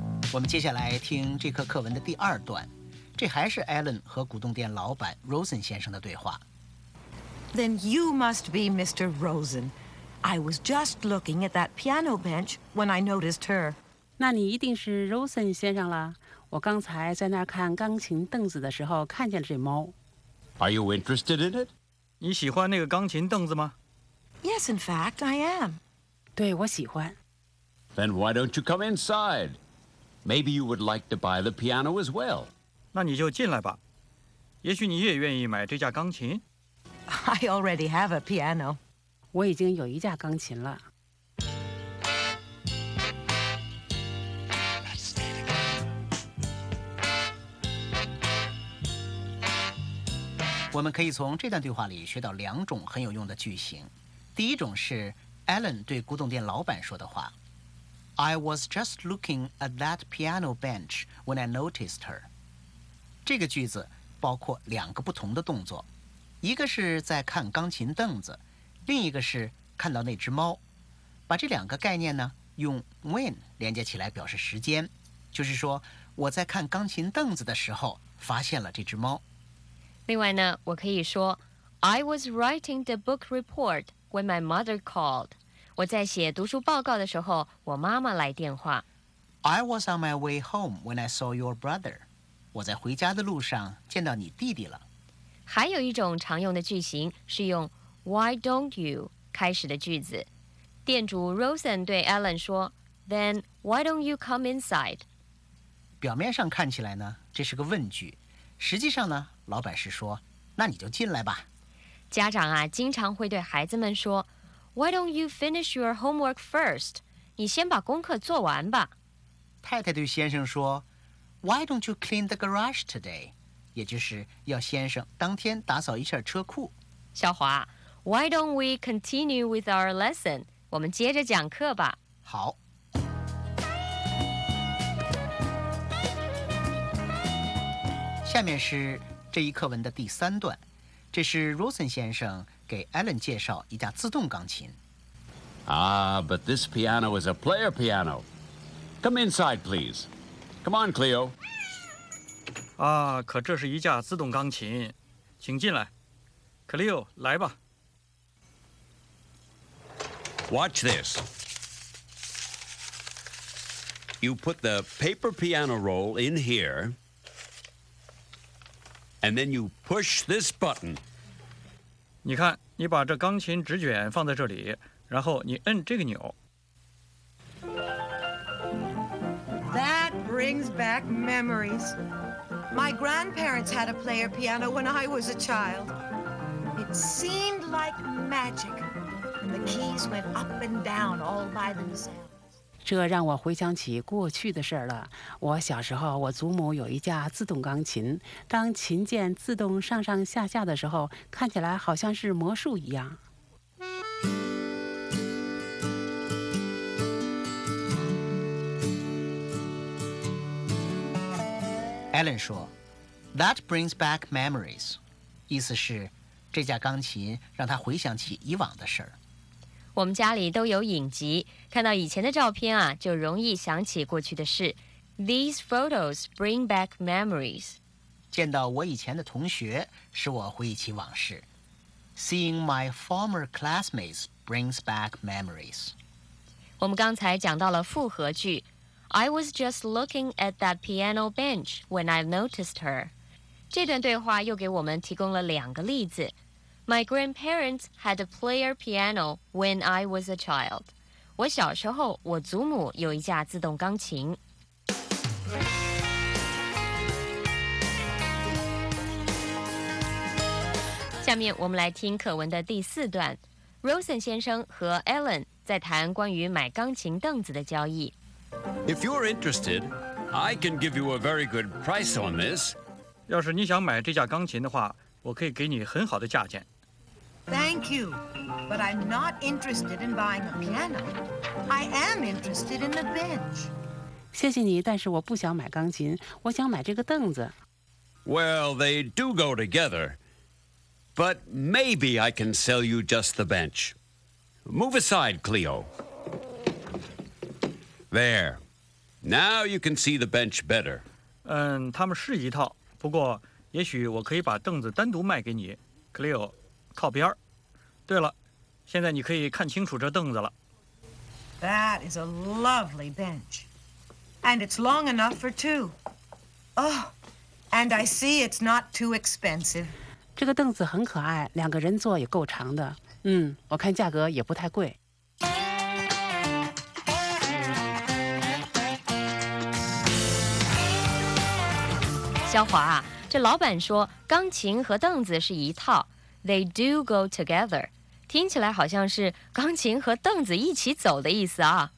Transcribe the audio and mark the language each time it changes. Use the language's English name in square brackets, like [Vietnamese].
[Chinese] 我们接下来听这课课文的第二段。这还是 Alan 和古董店老板 Rosen 先生的对话。 [English] Then you must be Mr. Rosen. I was just looking at that piano bench when I noticed her. [Chinese] 那你一定是 Rosen 先生了。我刚才在那儿看钢琴凳子的时候看见了这猫。 [English] Are you interested in it? [Chinese] 你喜欢那个钢琴凳子吗？ [English] Yes, in fact, I am. [Chinese] 对，我喜欢。 [English] Then why don't you come inside? Maybe you would like to buy the piano as well. [Chinese] 那你就进来吧。也许你也愿意买这架钢琴。 [English] I already have a piano. [Chinese] 我已经有一架钢琴了。我们可以从这段对话里学到两种很有用的句型。第一种是 Alan 对古董店老板说的话。 [English] I was just looking at that piano bench when I noticed her. [Chinese] 这个句子包括两个不同的动作，一个是在看钢琴凳子，另一个是看到那只猫。把这两个概念呢，用 when 连接起来表示时间，就是说我在看钢琴凳子的时候发现了这只猫。另外呢，我可以说 [English] I was writing the book report when my mother called. [Chinese] 我在写读书报告的时候，我妈妈来电话。 [English] I was on my way home when I saw your brother. [Chinese] 我在回家的路上见到你弟弟了。还有一种常用的句型是用 Why don't you 开始的句子。店主 Rosen 对 Alan 说 [English] Then why don't you come inside? [Chinese] 表面上看起来呢，这是个问句。实际上呢，老板是说，那你就进来吧。家长啊，经常会对孩子们说 [English] Why don't you finish your homework first? [Chinese] 你先把功课做完吧。太太对先生说 [English] Why don't you clean the garage today? [Chinese] 也就是要先生当天打扫一下车库。 [English] 小华 Why don't we continue with our lesson? [Chinese] 我们接着讲课吧。好。下面是这一课文的第三段。这是 Rosen 先生给 Alan 介绍一架自动钢琴。 [English] Ah, but this piano is a player piano. Come inside, please. Come on, Cleo. [Chinese] 啊，可这是一架自动钢琴，请进来。 Cleo, 来吧。 [English] Watch this. You put the paper piano roll in here, and then you push this button. [Chinese] 你看，你把这钢琴纸卷放在这里，然后你摁这个钮。 [English] That brings back memories. My grandparents had a player piano when I was a child. It seemed like magic. The keys went up and down all by themselves. [Chinese] 这让我回想起过去的事了。我小时候，我祖母有一架自动钢琴，当琴键自动上上下下的时候，看起来好像是魔术一样。 Alan 说 ， [English] That brings back memories， [Chinese] 意思是这架钢琴让他回想起以往的事儿。我们家里都有影集，看到以前的照片啊，就容易想起过去的事。 [English] These photos bring back memories. [Chinese] 见到我以前的同学，使我回忆起往事。 [English] Seeing my former classmates brings back memories. [Chinese] 我们刚才讲到了复合句。 [English] I was just looking at that piano bench when I noticed her. [Chinese] 这段对话又给我们提供了两个例子。 [English] My grandparents had a player piano when I was a child. [Chinese] 我小时候，我祖母有一架自动钢琴。下面我们来听课文的第四段。Rosen 先生和 Alan 在谈关于买钢琴凳子的交易。 [English] If you're interested, I can give you a very good price on this. [Chinese] 要是你想买这架钢琴的话，我可以给你很好的价钱。 [English] Thank you, but I'm not interested in buying a piano. I am interested in the bench. [Chinese] 谢谢你，但是我不想买钢琴，我想买这个凳子。 [English] Well, they do go together, but maybe I can sell you just the bench. Move aside, Cleo. There. Now you can see the bench better. [Chinese] 嗯，他们是一套，不过也许我可以把凳子单独卖给你 Cleo， 靠边。对了，现在你可以看清楚这凳子了。 [English] That is a lovely bench. And it's long enough for two. Oh, and I see it's not too expensive. [Chinese] 这个凳子很可爱，两个人坐也够长的。嗯，我看价格也不太贵。肖华啊，这老板说钢琴和凳子是一套 ， [English] they do go together， [Chinese] 听起来好像是钢琴和凳子一起走的意思啊。